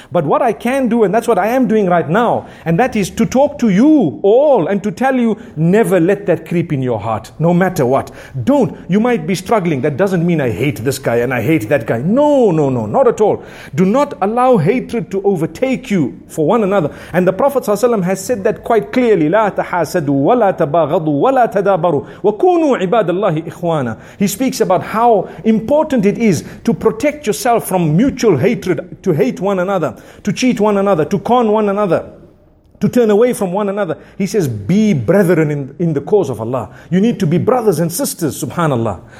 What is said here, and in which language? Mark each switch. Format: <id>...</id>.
<en>But what I can do, and that's what I am doing right now, and that is to talk to you all and to tell you, never let that creep in your heart, no matter what. Don't. You might be struggling. That doesn't mean I hate this guy and I hate that guy. No, no, no, not at all. Do not allow hatred to overtake you for one another. And the Prophet ﷺ has said that quite clearly.</en> <ar>لا تحاسدوا ولا تباغضوا ولا تدابروا وكونوا ibadallahi ikhwana.</ar> <en>He speaks about how important it is to protect yourself from mutual hatred, to hate one another, to cheat one another, to con one another, to turn away from one another. He says, be brethren in the cause of Allah. You need to be brothers and sisters, subhanallah.</en>